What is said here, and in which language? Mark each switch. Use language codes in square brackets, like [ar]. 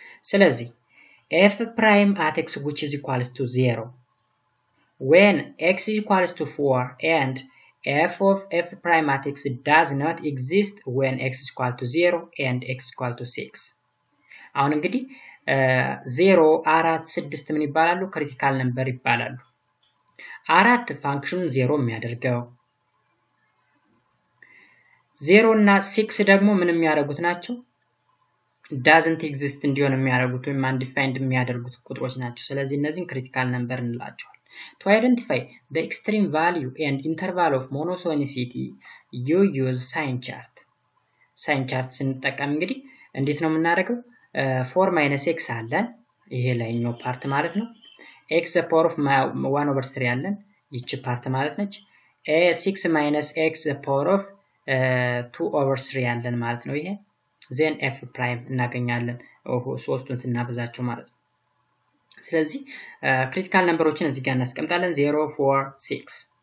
[en] ስለዚህ f prime at x which is equals to 0 when x is equals to 4 and f of f prime at x does not exist when x is equal to 0 and x is equal to 6. [am] አሁን እንግዲህ 0 4 6 ምን ይባላሉ? ክሪቲካል ነምበር ይባላሉ። 4 ፋንክሽኑን 0 የሚያደርገው 0 እና 6 ደግሞ ምን የሚያደርጉት ናቸው? doesn't exist እንዲሆን የሚያደርጉት ወይም undefined የሚያደርጉት ቁጥሮች ናቸው። ስለዚህ እነዚህን ክሪቲካል ነምበር እንላቸዋለን። To identify the extreme value and interval of monotonicity, you use sign chart. Sign chart ስንጠቀም እንግዲህ እንዴት ነው የምናደርገው? 4 minus x አለን ይሄ ላይኛው ፓርት ማለት ነው። x to the power of 1 over 3 አለን ይቺ ፓርት ማለት ነች። a 6 minus x to the power of 2 over 3 አለን ማለት ነው ይሄ። then f prime እናገኛለን ሶስቱን ስናበዛቸው ማለት ነው። ስለዚህ ክሪቲካል ነምበሮችን እዚህ ጋር እናስቀምጣለን 0 4 6።